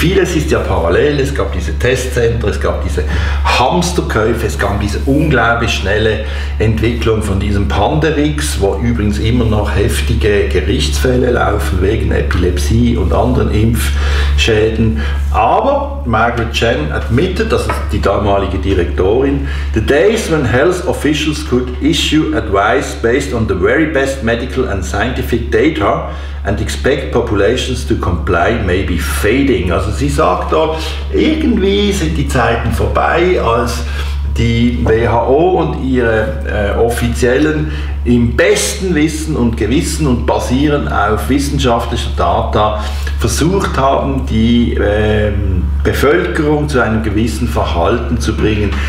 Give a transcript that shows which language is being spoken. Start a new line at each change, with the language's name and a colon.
German: Vieles ist ja parallel, es gab diese Testzentren, es gab diese Hamsterkäufe, es gab diese unglaublich schnelle Entwicklung von diesem Panderix, wo übrigens immer noch heftige Gerichtsfälle laufen wegen Epilepsie und anderen Impfschäden.
English: Aber Margaret Chan admitted,
German: das ist die damalige Direktorin,
English: the days when health officials could issue advice based on the very best medical and scientific data and expect populations to comply may be fading.
German: Also sie sagt da, irgendwie sind die Zeiten vorbei, als die WHO und ihre Offiziellen im besten Wissen und Gewissen und basierend auf wissenschaftlicher Data versucht haben, die Bevölkerung zu einem gewissen Verhalten zu bringen.